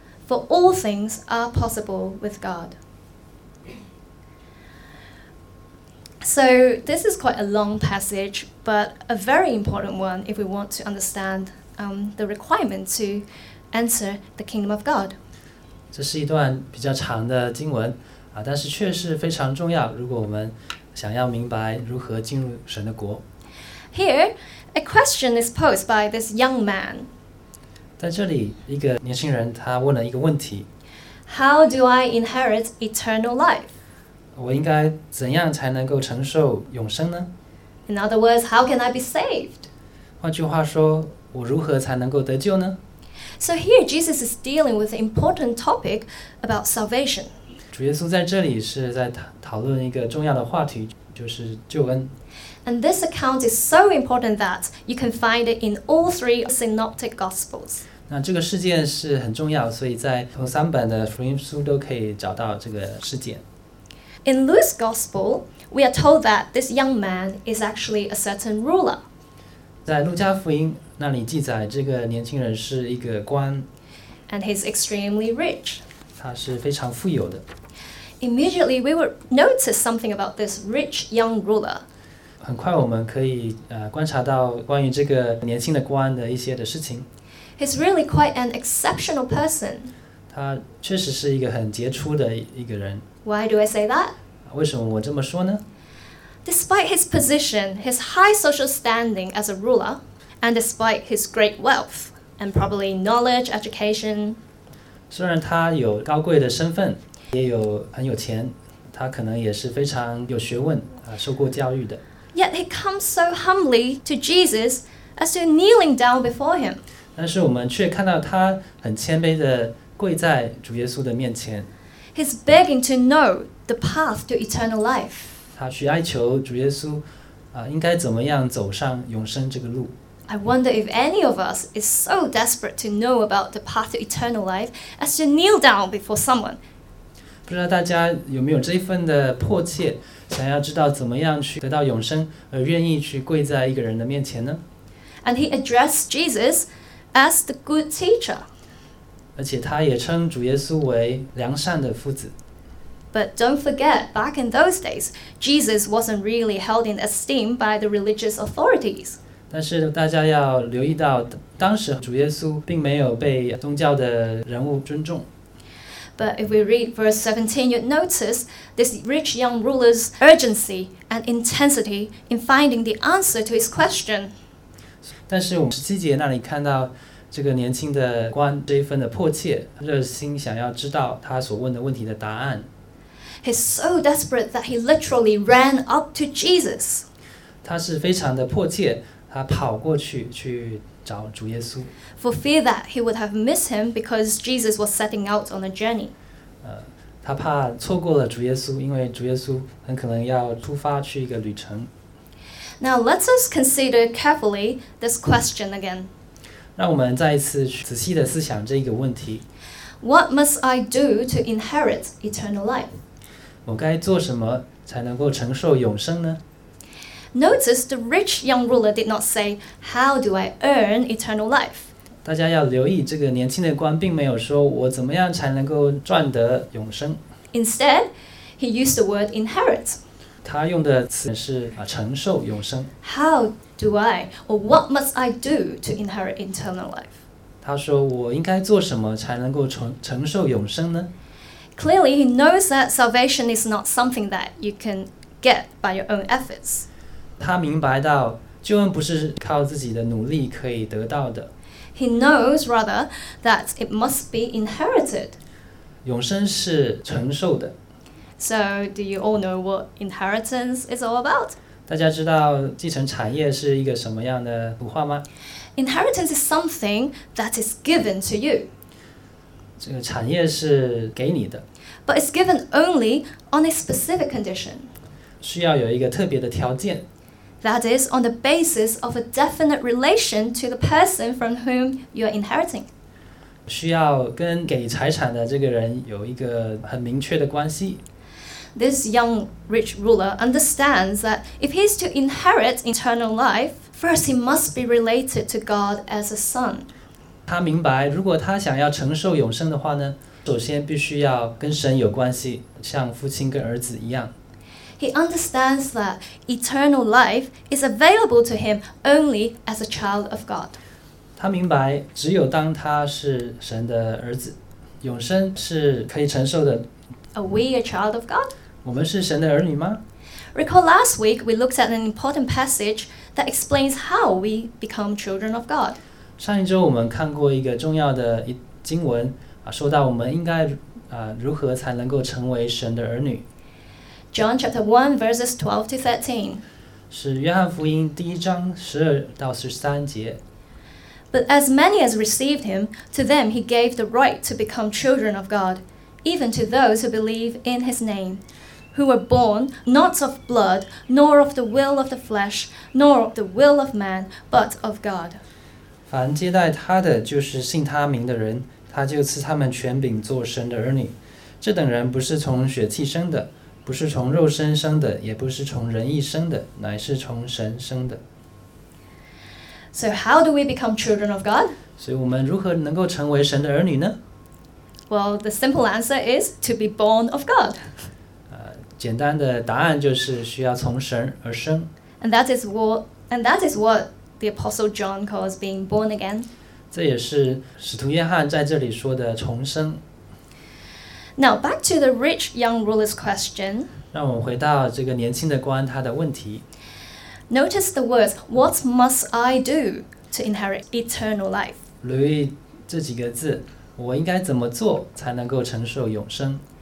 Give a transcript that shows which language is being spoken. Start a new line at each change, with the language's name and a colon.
English: For all things are possible with God. So this is quite a long passage, but a very important one if we want to understand the requirement to enter the kingdom of God.
Chinese: 这是一段比较长的经文，但是确实非常重要，如果我们想要明白如何进入神的国。
English: Here, a question is posed by this young man.
Chinese: 在这里，一个年轻人他问了一个问题。
English: How do I inherit eternal life?
Chinese: 我应该怎样才能够承受永生呢?
English: In other words, how can I be saved?
Chinese: 换句话说,我如何才能够得救呢?
English: So here Jesus is dealing with an important topic about salvation.
Chinese: 主耶稣在这里是在讨论一个重要的话题,就是救恩。
English: And this account is so important that you can find it in all three synoptic gospels.
Chinese: 那这个事件是很重要,所以在头三本的福音书都可以找到这个事件。
English: In Luke's Gospel, we are told that this young man is actually a certain ruler.
Chinese: 在路加福音那里记载这个年轻人是一个官。
English: And he's extremely rich.
Chinese: 他是非常富有的。
English: Immediately, we would notice something about this rich young ruler.
Chinese: 很快我们可以观察到关于这个年轻的官的一些的事情。
English: He's really quite an exceptional person.
Chinese: 他确实是一个很杰出的一个人。
English: Why do I say that?
Chinese: 为什么我这么说呢?
English: Despite his position, his high social standing as a ruler, and despite his great wealth, and probably knowledge, education.
Chinese: 虽然他有高贵的身份，也有很有钱，他可能也是非常有学问，受过教育的。
English: Yet he comes so humbly to Jesus as to kneeling down before him.
Chinese: 但是我们却看到他很谦卑的跪在主耶稣的面前。
English: He's begging to know the path to eternal life.
Chinese: 他去哀求主耶稣，应该怎么样走上永生这个路。
English: I wonder if any of us is so desperate to know about the path to eternal life as to kneel down before someone.
Chinese: 不知道大家有没有这份的迫切，想要知道怎么样去得到永生，而愿意去跪在一个人的面前呢？
English: And he addressed Jesus as the good teacher.
Chinese: 而且他也称主耶稣为良善的夫子。
English: But don't forget, back in those days, Jesus wasn't really held in esteem by the religious authorities.
Chinese: 但是大家要留意到，当时主耶稣并没有被宗教的人物尊重。
English: But if we read verse 17, you'd notice this rich young ruler's urgency and intensity in finding the answer to his question.
Chinese: 但是我们十七节那里看到这个年轻的官这一份的迫切，热心想要知道他所问的问题的答案。
English: He's so desperate that he literally ran up to Jesus.
Chinese: 他是非常的迫切。他跑过去去找主耶稣。
English: For fear that he would have missed him because Jesus was setting out on a journey.
Chinese: 他怕错过了主耶稣，因为主耶稣很可能要出发去一个旅程。
English: Now let's us consider carefully this question again.
Chinese: 让我们再一次仔细的思想这个问题。
English: What must I do to inherit eternal life?
Chinese: 我该做什么才能够承受永生呢？
English: Notice the rich young ruler did not say, "How do I earn eternal life?"
Chinese: 大家要留意，这个年轻的官并没有说我怎么样才能够赚得永生。
English: Instead, he used the word "inherit."
Chinese: 他用的词是承受永生。
English: How do I, or what must I do to inherit eternal life?
Chinese: 他说我应该做什么才能够承受永生呢？
English: Clearly, he knows that salvation is not something that you can get by your own efforts.
Chinese: 他明白到救恩不是靠自己的努力可以得到的。
English: He knows rather that it must be inherited.
Chinese: 永生是承受的。
English: So do you all know what inheritance is all about?
Chinese: 大家知道继承产业是一个什么样的图画吗？
English: Inheritance is something that is given to you.
Chinese: 这个产业是给你的。
English: But it's given only on a specific condition.
Chinese: 需要有一个特别的条件。
English: That is on the basis of a definite relation to the person from whom you are inheriting.
Chinese: 需要跟给财产的这个人有一个很明确的关系。
English: This young rich ruler understands that if he is to inherit eternal life, first he must be related to God as a son.
Chinese: 他明白，如果他想要承受永生的话呢，首先必须要跟神有关系，像父亲跟儿子一样。
English: He understands that eternal life is available to him only as a child of God.
Chinese: 他明白，只有当他是神的儿子，永生是可以承受的。
English: Are we a child of God?
Chinese: 我们是神的儿女吗？
English: Recall last week we looked at an important passage that explains how we become children of God.
Chinese: 上一周我们看过一个重要的经文，说到我们应该如何才能够成为神的儿女。
English: John chapter 1 verses 12 to 13.
Chinese: 是约翰福音第一章十二到十三节。
English: But as many as received him, to them he gave the right to become children of God, even to those who believe in his name, who were born not of blood, nor of the will of the flesh, nor of the will of man, but of God.
Chinese: 凡接待他的就是信他名的人，他就赐他们权柄做神的儿女。这等人不是从血气生的。不是从肉身生的，也不是从人意生的，乃是从神生的。
English: So how do we become children of God?
Chinese: 所以我们如何能够成为神的儿女呢？
English: Well, the simple answer is to be born of God.
Chinese: 简单的答案就是需要从神而生。
English: And that is what the Apostle John calls being born again.
Chinese: 这也是使徒约翰在这里说的重生。
English: Now back to the rich young ruler's question.
Chinese: 让我们回到这个年轻的官他的问题。
English: Notice the words, "What must I do to inherit eternal life?"
Chinese: 留意这几个字，我应该怎么做才能够承受永生？